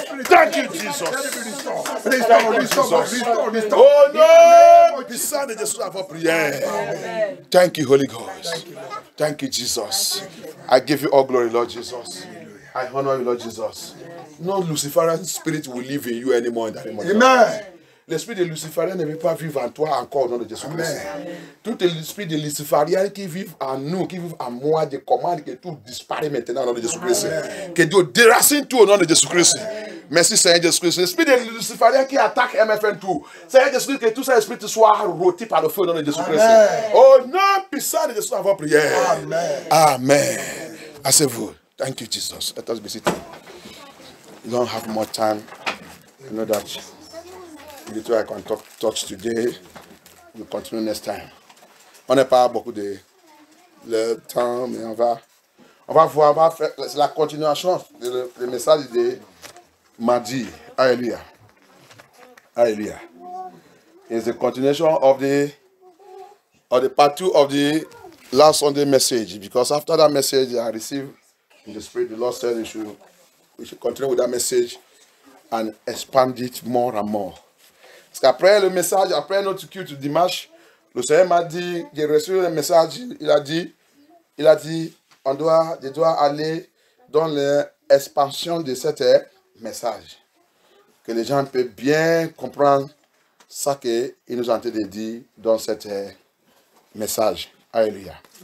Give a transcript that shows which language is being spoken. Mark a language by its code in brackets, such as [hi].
[en] Thank you, Jesus. Thank you, Holy Ghost. Thank you, Jesus. I give you all glory, Lord Jesus. I honor you, Lord Jesus. No Luciferian spirit will live in you anymore in that name of Jesus. Amen. [fr] L'esprit de Luciferien ne veut pas vivre en toi encore au nom de Jésus-Christ. Tout l'esprit de Luciferien qui vit en nous, qui vit en moi, des commandes que tout disparaît maintenant au nom de Jésus-Christ. Que Dieu déracine tout au nom de Jésus-Christ. Merci Seigneur Jésus-Christ. L'esprit de Luciferien qui attaque MFN tout. Seigneur Jésus-Christ, que tout cet esprit soit rôti par le feu au nom de Jésus-Christ. Au nom puissant de Jésus, avant prière. Amen. [en] Amen. [fr] Asseyez-vous. [en] Thank you, Jesus. Let us be seated. You don't have more time. You know that. Little I can touch today, we continue next time. [fr] On n'est pas beaucoup de le temps, mais on va voir, on va faire la continuation de le message de mardi. Alléluia. Alléluia. [en] It's the continuation of the part two of the last Sunday message. Because after that message I received in the spirit, the Lord said we should continue with that message and expand it more and more. [fr] Parce qu'après le message, après notre culte dimanche, le Seigneur m'a dit, j'ai reçu un message, il a dit, je dois aller dans l'expansion de cet message. Que les gens peuvent bien comprendre ce qu'il nous a en train de dire dans cet message. Alléluia.